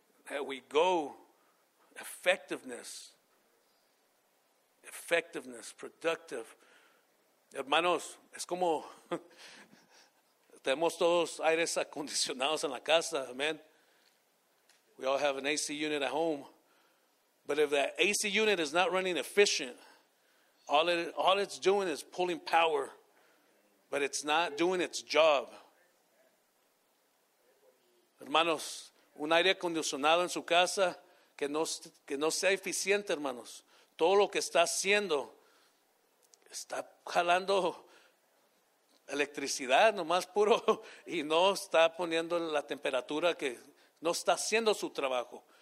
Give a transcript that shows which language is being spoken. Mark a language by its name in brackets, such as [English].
[English] That we go effectiveness, productive. [Spanish] Hermanos, es como tenemos todos aires acondicionados en la casa, amen. [English] We all have an AC unit at home. But if that AC unit is not running efficient, all it's doing is pulling power, but it's not doing its job. [Spanish] Hermanos, un aire acondicionado en su casa que no sea eficiente, hermanos. Todo lo que está haciendo está jalando electricidad, nomás puro, y no está poniendo la temperatura que no está haciendo su trabajo.